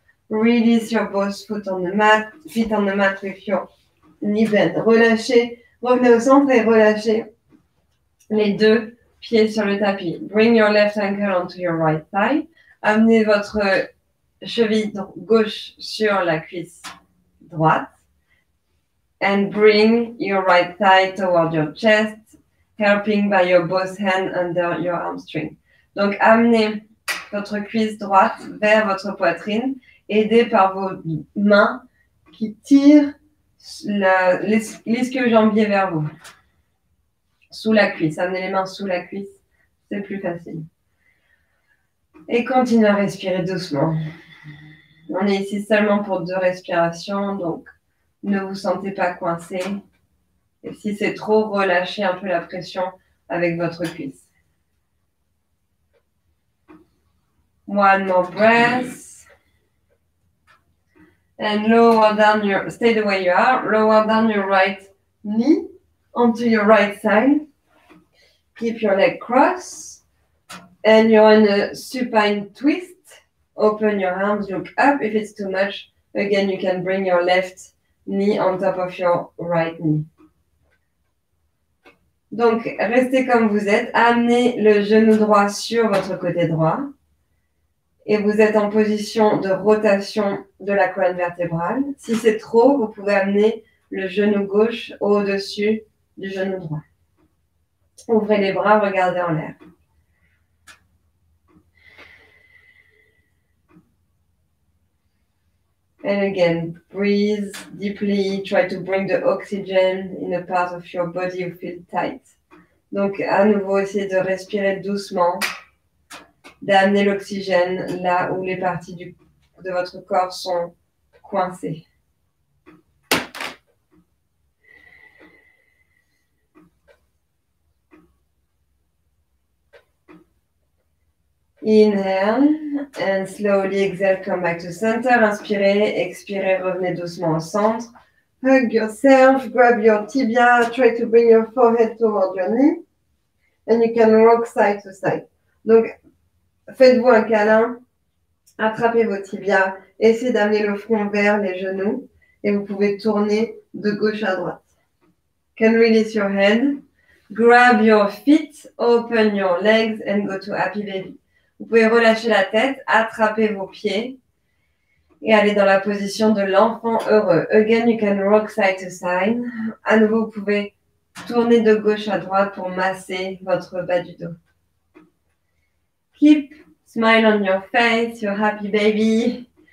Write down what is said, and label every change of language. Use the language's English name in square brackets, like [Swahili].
[English] Release your both foot on the mat, feet on the mat with your knee bend. [French] Relâchez, revenez au centre et relâchez les deux pieds sur le tapis. Bring your left ankle onto your right thigh. Amenez votre cheville gauche sur la cuisse droite. And bring your right thigh toward your chest, helping by your both hand under your hamstring. Donc, amenez votre cuisse droite vers votre poitrine, aidée par vos mains qui tirent l'ischio jambier vers vous. Sous la cuisse. Amenez les mains sous la cuisse, c'est plus facile. Et continuez à respirer doucement. On est ici seulement pour deux respirations, donc ne vous sentez pas coincé. Et si c'est trop, relâchez un peu la pression avec votre cuisse. [English] One more breath. And lower down your, stay the way you are, lower down your right knee onto your right side. Keep your leg crossed. And you're in a supine twist. Open your arms, look up. If it's too much, again, you can bring your left knee on top of your right knee. [French] Donc, restez comme vous êtes. Amenez le genou droit sur votre côté droit. Et vous êtes en position de rotation de la colonne vertébrale. Si c'est trop, vous pouvez amener le genou gauche au-dessus du genou droit. Ouvrez les bras, regardez en l'air. [English] And again, breathe deeply. Try to bring the oxygen in a part of your body you feel tight. [French] Donc, à nouveau, essayez de respirer doucement. D'amener l'oxygène là où les parties de votre corps sont coincées. [English] Inhale and slowly exhale, come back to center. [French] Inspirez, expirez, revenez doucement au centre. [English] Hug yourself, grab your tibia, try to bring your forehead toward your knee. And you can rock side to side. [French] Donc, faites-vous un câlin, attrapez vos tibias, essayez d'amener le front vers les genoux et vous pouvez tourner de gauche à droite. [English] Can release your head, grab your feet, open your legs and go to happy baby. [French] Vous pouvez relâcher la tête, attraper vos pieds et aller dans la position de l'enfant heureux. [English] Again, you can rock side to side. [French] À nouveau, vous pouvez tourner de gauche à droite pour masser votre bas du dos. [English] Keep smile on your face, your happy baby.